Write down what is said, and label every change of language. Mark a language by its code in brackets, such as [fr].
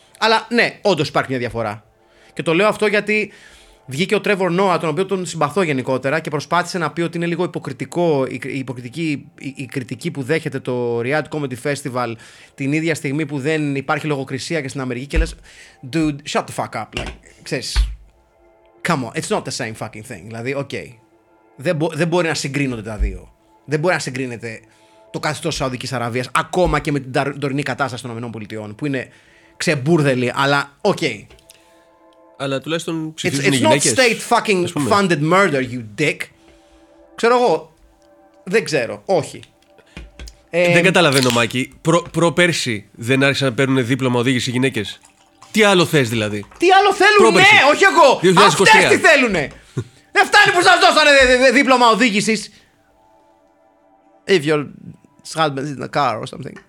[el] Αλλά ναι, όντως υπάρχει μια διαφορά. Και το λέω αυτό γιατί βγήκε ο Τρέβορ Νόα, τον οποίο τον συμπαθώ γενικότερα, και προσπάθησε να πει ότι είναι λίγο υποκριτικό η κριτική που δέχεται το Riyadh Comedy Festival την ίδια στιγμή που δεν υπάρχει λογοκρισία και στην Αμερική. Και λες, [en] dude, shut the fuck up. Like, [el] ξέρεις, [en] come on, it's not the same fucking thing. [el] Δηλαδή, okay. Δεν μπορεί να συγκρίνονται τα δύο. Δεν μπορεί να συγκρίνεται το καθεστώς Σαουδικής Αραβίας, ακόμα και με την τωρινή κατάσταση των ΗΠΑ, που είναι ξεμπούρδελη, αλλά okay. Αλλά τουλάχιστον ψηφίζουν [en] it's [el] οι γυναίκες. [en] It's not state fucking funded murder, you dick. [el] Ξέρω εγώ. Δεν ξέρω. Όχι. Δεν καταλαβαίνω, Μάκη. Προπέρσι δεν άρχισαν να παίρνουν δίπλωμα οδήγηση οι γυναίκες. Τι άλλο θες δηλαδή. Τι άλλο θέλουν, ναι, όχι εγώ. Αυτές τι θέλουνε. Δεν φτάνει που σας δώσανε δίπλωμα οδήγησης. [en] If your husband is in a car or something.